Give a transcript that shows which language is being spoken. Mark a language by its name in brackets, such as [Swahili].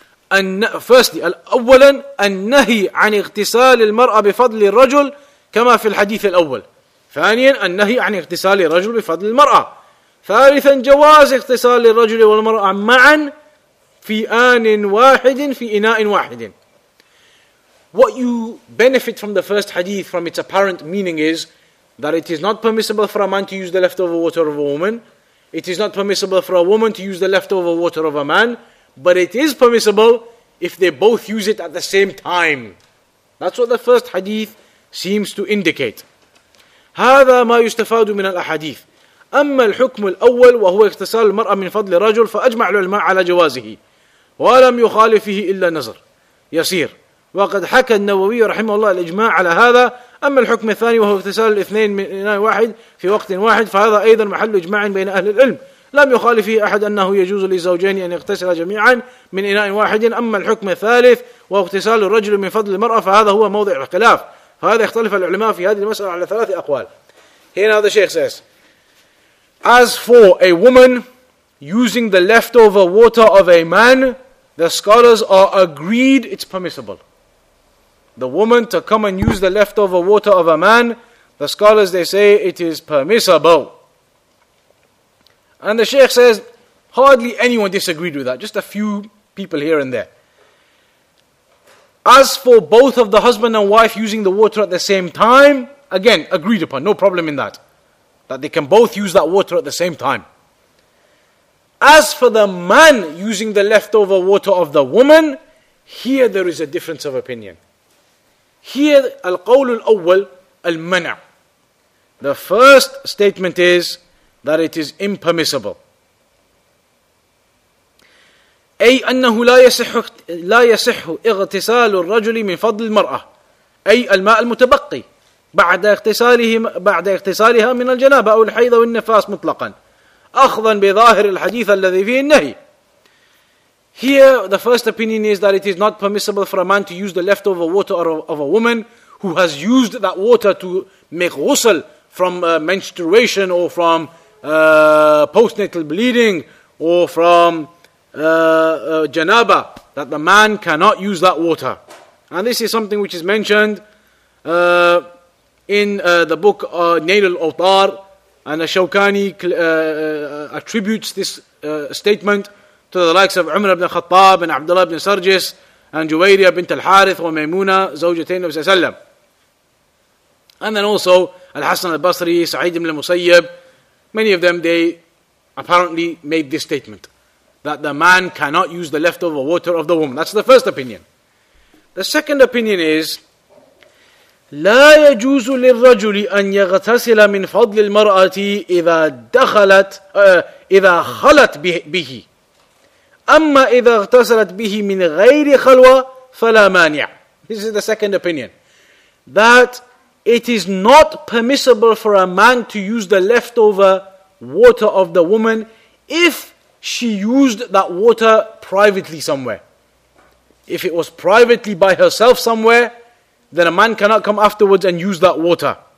[English] Firstly, [Arabic] أَوَّلًا النَّهِي عَنِ اغْتِسَالِ الْمَرْأَ بِفَضْلِ الرَّجُلِ كما في الحديث الأول. ثانيا النهي عن اغتسال الرجل بفضل المرأة. ثالثا جواز اغتسال الرجل والمرأة معا في آن واحد في إناء واحد. [English] What you benefit from the first hadith from its apparent meaning is that it is not permissible for a man to use the leftover water of a woman. It is not permissible for a woman to use the leftover water of a man. But it is permissible if they both use it at the same time. That's what the first hadith seems to indicate. [Arabic] هذا ما يستفاد من الأحاديث. أما الحكم الأول وهو اغتسال المرأة من فضل رجل فأجمع العلماء على جوازه ولم يخالفه إلا نظر يسير. وقد حكى النووي رحمه الله الإجماع على هذا. أما الحكم الثاني وهو اغتسال الاثنين من إناء واحد في وقت واحد فهذا أيضا محل إجماع بين أهل العلم. لم يخالفه أحد أنه يجوز للزوجين أن يغتسل جميعا من إناء واحد. أما الحكم الثالث وهو اغتسال الرجل من فضل المرأة فهذا هو موضع الخلاف. فهذا اختلف العلماء في هذه المسألة على ثلاث أقوال. [English] Here the Sheikh says, as for a woman using the leftover water of a man, the scholars are agreed it's permissible. The woman to come and use the leftover water of a man, the scholars, they say it is permissible. And the Sheikh says, hardly anyone disagreed with that, just a few people here and there. As for both of the husband and wife using the water at the same time, again, agreed upon, no problem in that. That they can both use that water at the same time. As for the man using the leftover water of the woman, here there is a difference of opinion. Here, [Arabic] al-qawl al-awwal, al-mana'. [English] The first statement is that it is impermissible. [Arabic] أي أنه لا يصح اغتسال الرجل من فضل المرأة أي الماء المتبقي بعد اغتسالها من الجنابة أو الحيض والنفاس مطلقا أخذا بظاهر الحديث الذي فيه النهي. [English] Here the first opinion is that it is not permissible for a man to use the leftover water of a woman who has used that water to make ghusl from menstruation or from postnatal bleeding or from janaba, that the man cannot use that water. And this is something which is mentioned in the book Nail al-Autar, and Ashokani attributes this statement to the likes of Umar ibn Khattab and Abdullah ibn Sarjis and Juwayriya bint al-Harith wa Maymuna zawjatayn of Sallam. And then also Al-Hassan al-Basri, Sa'id ibn al-Musayyib, many of them, they apparently made this statement that the man cannot use the leftover water of the woman. That's the first opinion. The second opinion is, [Arabic] لا يجوز للرجل أن يغتسل من فضل المرأة إذا خلت به. أما إذا اغتسلت به من غير خلوة فلا مانع. [English] This is the second opinion. That it is not permissible for a man to use the leftover water of the woman if she used that water privately somewhere. If it was privately by herself somewhere, then a man cannot come afterwards and use that water.